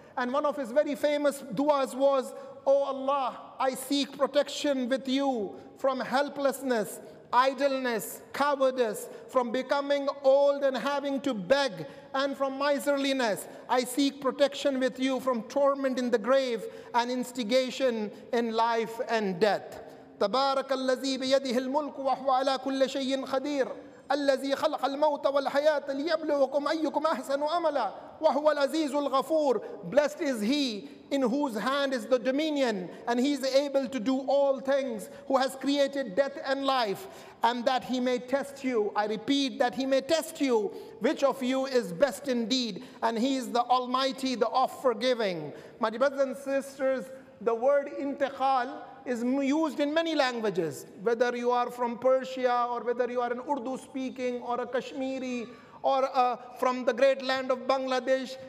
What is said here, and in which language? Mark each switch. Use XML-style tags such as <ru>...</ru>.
<en>And one of his very famous du'as was, O Allah, I seek protection with you from helplessness, idleness, cowardice, from becoming old and having to beg, and from miserliness. I seek protection with you from torment in the grave and instigation in life and death.</en> <ar>تبارك الذي بيده الملك وهو على كل شيء قدير الذي خلق الموت والحياة ليبلوكم أيكم أحسن عملا وهو العزيز الغفور.</ar> <en>Blessed is He in whose hand is the dominion, and He is able to do all things, who has created death and life, and that He may test you. I repeat, that He may test you, which of you is best indeed. And He is the Almighty, the Off-Forgiving. My brothers and sisters, the word intiqal is used in many languages, whether you are from Persia, or whether you are an Urdu-speaking, or a Kashmiri, or from the great land of Bangladesh.</en>